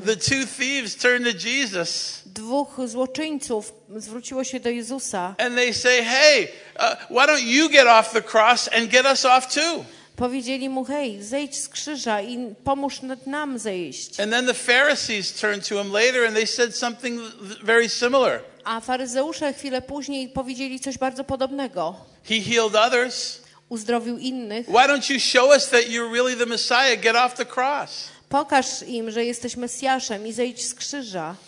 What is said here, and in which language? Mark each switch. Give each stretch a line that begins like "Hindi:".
English: The two thieves turned to Jesus.
Polish: Dwóch złoczyńców zwróciło się do Jezusa.
English: And they say, "Hey, why don't you get off the cross and get us off too?"
Polish: Powiedzieli mu: "Hej, zejdź z krzyża i pomóż nam zejść."
English: And then the Pharisees turned to him later and they said something very similar.
Polish: A faryzeusze chwilę później powiedzieli coś bardzo podobnego.
English: He healed others.
Polish: Uzdrowił innych.
English: Why don't you show us that you're really the Messiah? Get off the cross.
Polish: Pokaż im, że jesteś Mesjaszem i zejdź z krzyża.